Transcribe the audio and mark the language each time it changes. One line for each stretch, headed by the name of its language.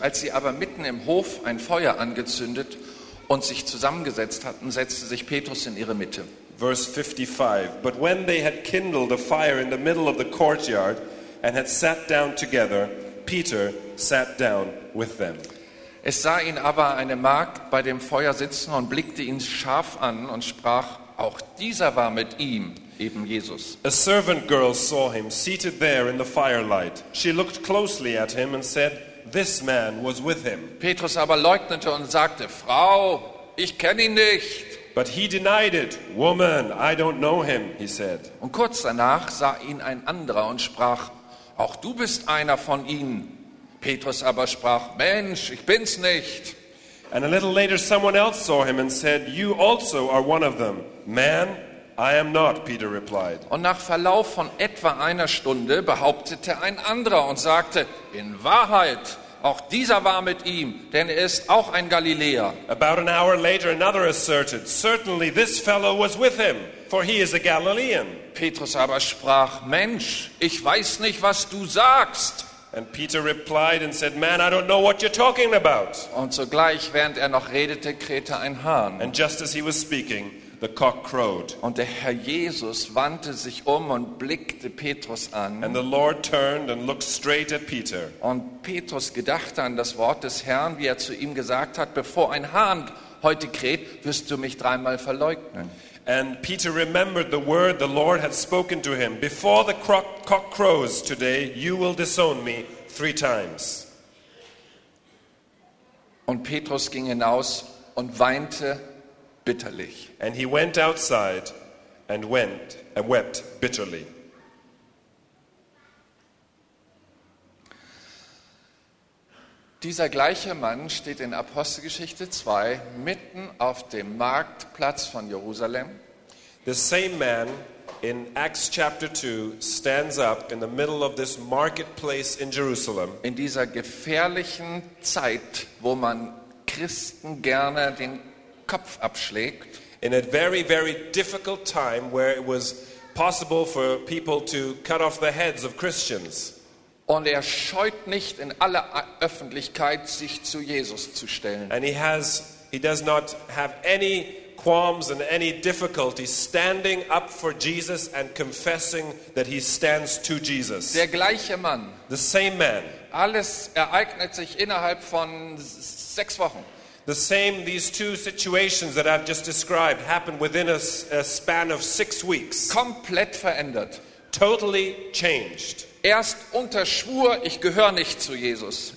German: Als sie aber mitten im Hof ein Feuer angezündet und sich zusammengesetzt hatten, setzte sich Petrus in ihre Mitte.
English: Verse 55. But when they had kindled a fire in the middle of the courtyard, and had sat down together, Peter sat down with them.
German: Es sah ihn aber eine Magd bei dem Feuer sitzen und blickte ihn scharf an und sprach, auch dieser war mit ihm, eben Jesus.
English: A servant girl saw him seated there in the firelight. She looked closely at him and said, this man was with him.
German: Petrus aber leugnete und sagte, Frau, ich kenne ihn nicht.
English: But he denied it. Woman, I don't know him, he said.
German: Und kurz danach sah ihn ein anderer und sprach, auch du bist einer von ihnen. Petrus aber sprach, Mensch, ich bin's nicht.
English: And a little later someone else saw him and said, you also are one of them. Man, I am not, Peter replied.
German: Und nach Verlauf von etwa einer Stunde behauptete ein anderer und sagte, in Wahrheit, Auch dieser war mit ihm, denn er ist auch ein Galiläer.
English: About an hour later, another asserted, certainly this fellow was with him, for he is a Galilean.
German: Petrus aber sprach, Mensch, ich weiß nicht, was du sagst.
English: And Peter replied and said, Man, I don't know what you're talking about.
German: Und sogleich, während er noch redete, krähte ein Hahn.
English: And just as he was speaking, the cock crowed.
German: Und der Herr Jesus wandte sich um und blickte Petrus an.
English: And the Lord turned and looked straight at Peter.
German: Und Petrus gedachte an das Wort des Herrn, wie er zu ihm gesagt hat, bevor ein Hahn heute kräht, wirst du mich dreimal verleugnen.
English: And Peter remembered the word the Lord had spoken to him. Before the cock crows today, you will disown me three times.
German: Und Petrus ging hinaus und weinte bitterlich.
English: And he went outside and went and wept bitterly.
German: Dieser gleiche Mann steht in Apostelgeschichte 2 mitten auf dem Marktplatz von Jerusalem.
English: The same man in Acts chapter 2 stands up in the middle of this marketplace in Jerusalem.
German: In dieser gefährlichen Zeit, wo man Christen gerne den Kopf abschlägt.
English: In a very, very difficult time where it was possible for people to cut off the heads of Christians.
German: Und er scheut nicht, in aller Öffentlichkeit sich zu Jesus zu stellen.
English: And he does not have any qualms and any difficulty standing up for Jesus and confessing that he stands to Jesus.
German: Der gleiche Mann.
English: The same man.
German: Alles ereignet sich innerhalb von 6 Wochen.
English: The same, these two situations that I've just described happen within a span of 6 weeks.
German: Komplett verändert.
English: Totally changed.
German: Erst unter Schwur, ich gehöre nicht zu Jesus.